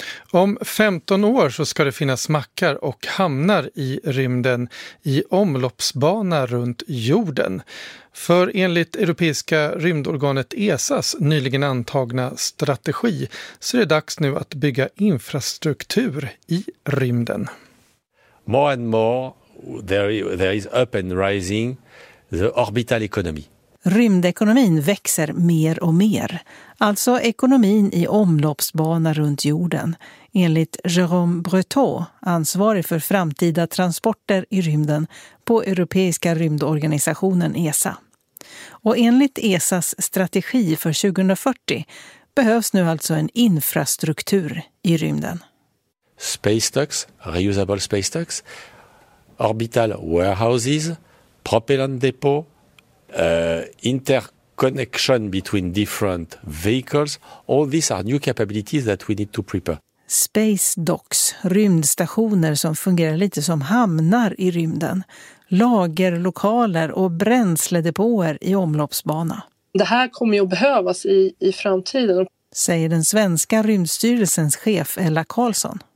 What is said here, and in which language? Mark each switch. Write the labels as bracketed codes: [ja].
[sv] Om 15 år så ska det finnas mackar och hamnar i rymden i omloppsbana runt jorden. För enligt europeiska rymdorganet ESAs nyligen antagna strategi så är det dags nu att bygga infrastruktur i rymden. [en] More and more there is up and rising the orbital economy. [sv] Rymdekonomin växer mer och mer. Alltså ekonomin i omloppsbana runt jorden. Enligt Jérôme Breton, ansvarig för framtida transporter i rymden på Europeiska rymdorganisationen ESA. Och enligt ESAs strategi för 2040 behövs nu alltså en infrastruktur i rymden. [en] Space docks, reusable space docks, orbital warehouses, propellant depot, interconnection between different vehicles, all these are new capabilities that we need to prepare. [sv] Space docks, rymdstationer som fungerar lite som hamnar i rymden, lager, lokaler och bränsledepåer i omloppsbana. Det här kommer ju att behövas i framtiden, säger den svenska rymdstyrelsens chef Ella Karlsson.